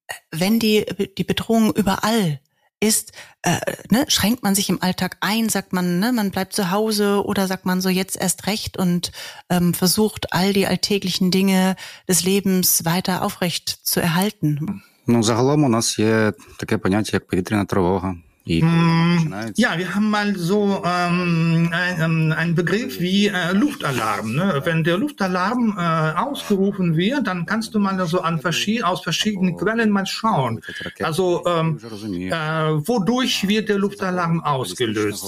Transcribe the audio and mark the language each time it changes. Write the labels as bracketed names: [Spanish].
[German] Wenn die Bedrohung überall ist, ne, schränkt man sich im Alltag ein, sagt man, ne, man bleibt zu Hause oder sagt man so jetzt erst recht und versucht all die alltäglichen Dinge des Lebens weiter aufrecht zu erhalten? [Ukrainian] Ну, загалом у нас є таке поняття, як повітряна тривога. [German] Ja, wir haben mal so einen Begriff wie Luftalarm. Ne? Wenn der Luftalarm ausgerufen wird, dann kannst du mal so an aus verschiedenen Quellen mal schauen. Also wodurch wird der Luftalarm ausgelöst?